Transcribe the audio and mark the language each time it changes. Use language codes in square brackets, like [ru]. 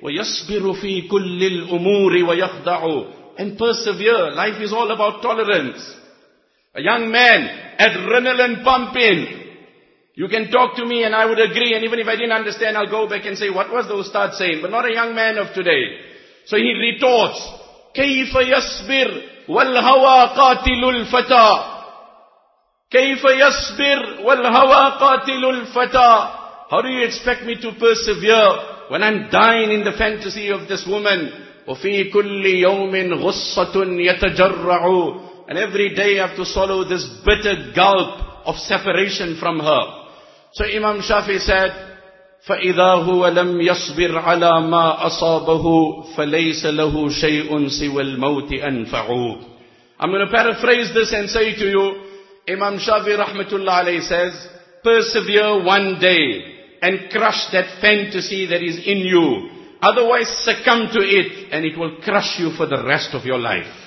[ar] وَيَصْبِرُ فِي كُلِّ الْأُمُورِ وَيَخْدَعُ. [en] And persevere. Life is all about tolerance. A young man, adrenaline pumping. You can talk to me and I would agree. And even if I didn't understand, I'll go back and say, what was the Ustad saying? But not a young man of today. So he retorts, [ar] كَيْفَ يَصْبِرْ وَالْهَوَى قَاتِلُ الْفَتَى. كَيْفَ يَصْبِرْ وَالْهَوَى قَاتِلُ الْفَتَى. [en] How do you expect me to persevere when I'm dying in the fantasy of this woman? [ar] وَفِي كُلِّ يَوْمٍ غُصَّةٌ يَتَجَرَّعُ. [en] And every day I have to swallow this bitter gulp of separation from her. So Imam Shafi said, [ar] فَإِذَا هُوَ لَمْ يَصْبِرْ عَلَى مَا أَصَابَهُ فَلَيْسَ لَهُ شَيْءٌ سِوَى الْمَوْتِ أَنْفَعُ. [en] I'm going to paraphrase this and say to you, Imam Shafi rahmatullah alayhi says, persevere one day and crush that fantasy that is in you. Otherwise, succumb to it and it will crush you for the rest of your life.